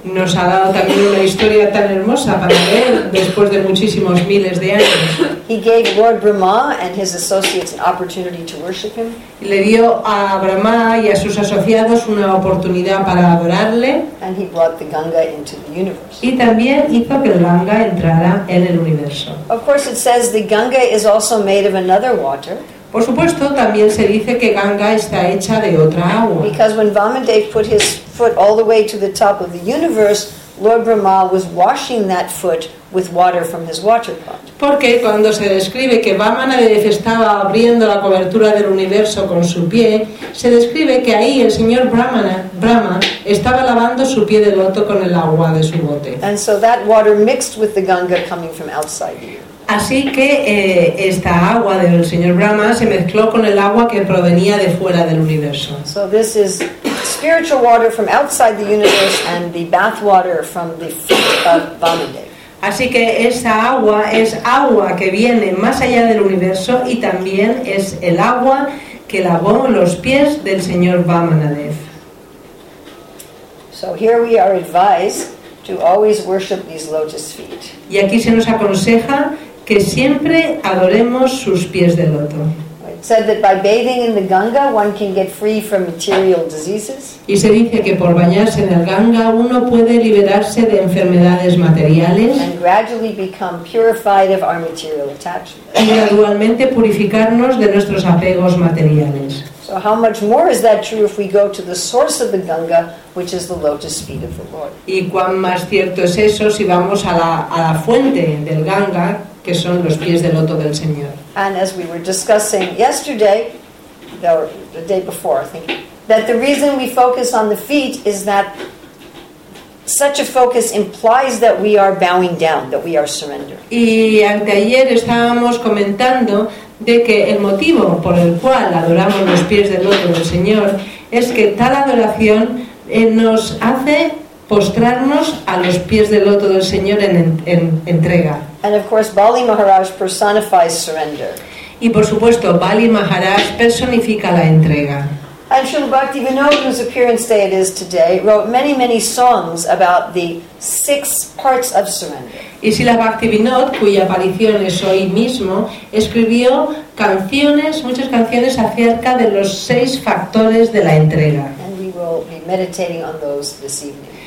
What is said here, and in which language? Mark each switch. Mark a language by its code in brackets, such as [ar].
[es] Nos ha dado también una historia tan hermosa para leer después de muchísimos miles de años. [en] He gave Lord Brahma and his associates an opportunity to worship him. [es] Le dio a Brahma y a sus asociados una oportunidad para adorarle. [en] And he brought the Ganga into the universe. [es] Y también hizo que el Ganga entrara en el universo. [en] Of course, it says the Ganga is also made of another water. [es] Por supuesto, también se dice que Ganga está hecha de otra agua. [en] Because when Vamandev put his foot all the way to the top of the universe, Lord Brahma was washing that foot with water from his water pot. [es] Porque cuando se describe que Vamandev estaba abriendo la cobertura del universo con su pie, se describe que ahí el señor Brahma estaba lavando su pie de loto con el agua de su bote. [en] And so that water mixed with the Ganga coming from outside you. [es] Así que esta agua del señor Brahma se mezcló con el agua que provenía de fuera del universo. [en] So this is spiritual water from outside the universe and the bath water from the feet of Vamandev. [es] Así que esa agua es agua que viene más allá del universo y también es el agua que lavó los pies del señor Vamandev. [en] So here we are advised to always worship these lotus feet. [es] Y aquí se nos aconseja que siempre adoremos sus pies de loto. [en] It said that by bathing in the Ganga one can get free from material diseases. [es] Y se dice que por bañarse en el Ganga uno puede liberarse de enfermedades materiales. [en] And gradually become purified of our material attachments. [es] Y gradualmente purificarnos de nuestros apegos materiales. [en] So how much more is that true if we go to the source of the Ganga, which is the lotus feet of the Lord? [es] Y cuán más cierto es eso si vamos a la fuente del Ganga, que son los pies de loto del Señor. [en] And as we were discussing yesterday, the day before, I think, that the reason we focus on the feet is that such a focus implies that we are bowing down, that we are surrendering. [es] Y anteayer estábamos comentando de que el motivo por el cual adoramos los pies del otro del Señor es que tal adoración nos hace postrarnos a los pies del loto del Señor en entrega. [en] And of course, Bali Maharaj personifies surrender. [es] Y por supuesto, Bali Maharaj personifica la entrega. [en] And Srila Bhaktivinoda, whose appearance day it is today, wrote many, many songs about the six parts of surrender. [es] Y Srila Bhaktivinoda, cuya aparición es hoy mismo, escribió canciones, muchas canciones acerca de los seis factores de la entrega. [en] And we will be meditating on those this evening.